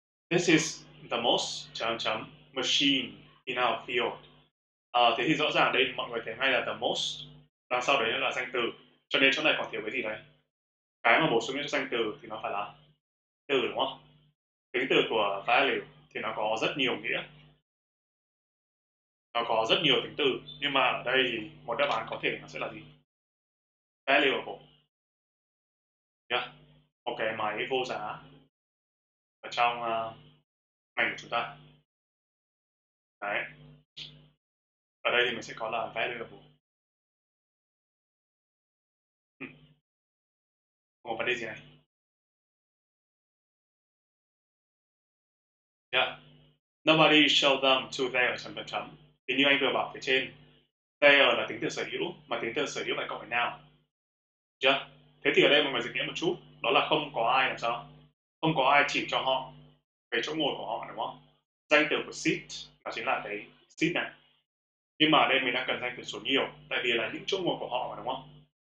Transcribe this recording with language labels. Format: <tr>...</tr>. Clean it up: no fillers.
<en>This is the most</en> <vi>chấm chấm</vi> <en>machine in our field.</en> <vi>Thế thì rõ ràng đây mọi người thấy ngay là</vi> <en>the most.</en> <vi>Đằng sau đấy là danh từ. Cho nên chỗ này còn thiếu cái gì đây? Cái mà bổ sung cho danh từ thì nó phải là từ đúng không? Tính từ của value thì nó có rất nhiều nghĩa. Nó có rất nhiều tính từ, nhưng mà ở đây thì một đáp án có thể nó sẽ là gì? Valuable. Yeah. Một cái máy vô giá ở trong ngành của chúng ta. Đấy. Ở đây thì mình sẽ có là valuable. Một vấn đề gì này? Yeah.</vi> <en>Nobody showed them to their</en> <vi>chấm chấm chấm. Thì như anh vừa bảo phía trên, their là tính từ sở hữu, mà tính từ sở hữu lại có phải nào? Yeah. Thế thì ở đây mọi người dịch nghĩa một chút, đó là không có ai làm sao? Không có ai chỉ cho họ cái chỗ ngồi của họ, đúng không? Danh từ của seat, đó chính là cái seat này. Nhưng mà ở đây mình đang cần danh từ số nhiều, tại vì là những chỗ ngồi của họ, đúng không?</vi>